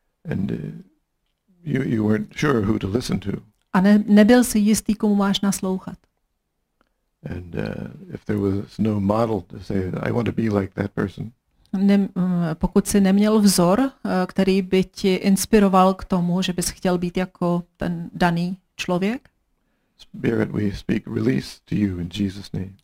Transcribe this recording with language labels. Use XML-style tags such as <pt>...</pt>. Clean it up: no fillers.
<en>And you weren't sure who to listen to.</en> <cs>A nebyl si jistý, komu máš naslouchat.</cs> <en>And if there was no model to say I want to be like that person.</en> <cs>Pokud si neměl vzor, který by ti inspiroval k tomu, že bys chtěl být jako ten daný člověk.</cs> <en>Spirit, we speak release to you in Jesus' name.</en>